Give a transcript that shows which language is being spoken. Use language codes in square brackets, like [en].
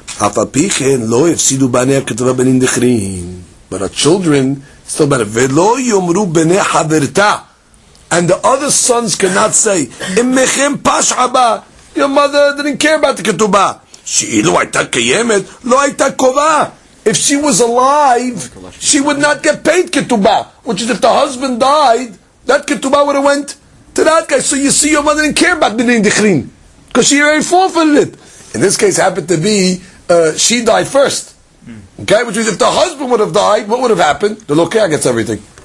[he] אף על פי כן, לא הפסידו בניה כתובה בנים דחרים. [en] But the children, still better. [he] ולא יאמרו בני חברתה. [en] And the other sons cannot say, [he] אמכם פש אבא. [en] Your mother didn't care about the כתובה. [he] שאילו הייתה קיימת, לא הייתה קובעה. [en] If she was alive, she would not get paid כתובה. Which is if the husband died, that כתובה would have went to that guy. So you see, your mother didn't care about בנים דחרים. Because she already forfeited it. In this case, happened to be, she died first. Okay, which means if the husband would have died, what would have happened? The lokeach gets everything.